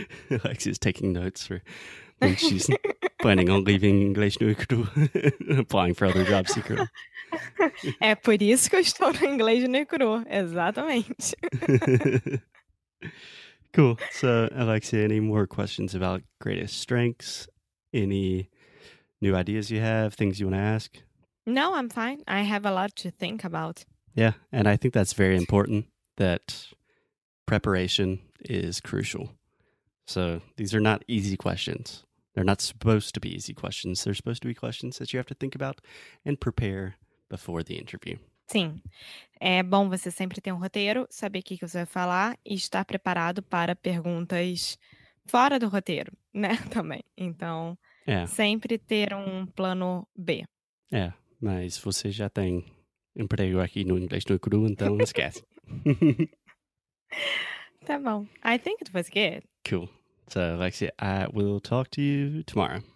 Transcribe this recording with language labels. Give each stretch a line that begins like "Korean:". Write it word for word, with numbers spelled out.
English: Alexia's taking notes for when she's planning on leaving English New and applying for other jobs secretly.
Portuguese: É por isso que eu estou no inglês no cru, exatamente.
English: Cool. So, Alexia, any more questions about greatest strengths? Any new ideas you have, things you want to ask? No, I'm fine. I have a lot to think about. Yeah. And I think that's very important, that preparation is crucial. So these are not easy questions. They're not supposed to be easy questions. They're supposed to be questions that you have to think about and prepare before the interview.
Portuguese: Sim. É bom você sempre ter um roteiro, saber o que, que você vai falar e estar preparado para perguntas fora do roteiro, né? Também. Então, É, sempre ter um plano B. é. Mas você já tem emprego aqui no Inglês no Cru, então esquece. Tá bom.
English: I think it was good. Cool. So, Alexia, I will talk to you tomorrow.